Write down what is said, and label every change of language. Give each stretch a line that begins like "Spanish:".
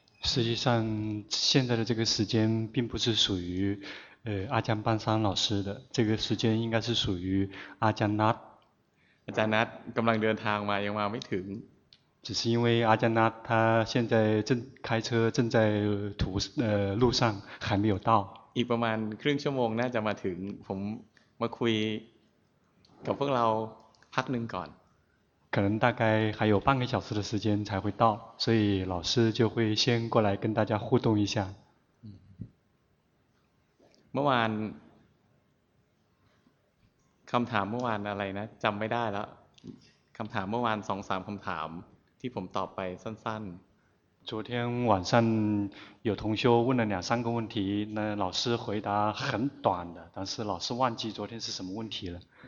Chinese: 实际上现在的这个时间并不是属于阿江半山老师的，这个时间应该是属于阿江นัท
Thai: อาจารย์นัทกำลังเดินทางมายังมาไม่ถึง
Chinese: 只是因为阿加纳他现在正开车正在途路上还没有到
Thai: อีกประมาณครึ่งชั่วโมงน่าจะมาถึงผมมาคุยกับพวกเราพักหนึ่งก่อน
Chinese: 可能大概还有半个小时的时间才会到所以老师就会先过来跟大家互动一下
Thai: เมื่อวานคำถามเมื่อวานอะไรนะจำไม่ได้แล้วคำถามเมื่อวาน 2-3 คำถามที่ผมตอบไปสั้น
Chinese: ๆ昨天晚上有同修问了两三个问题那老师回答很短的但是老师忘记昨天是什么问题了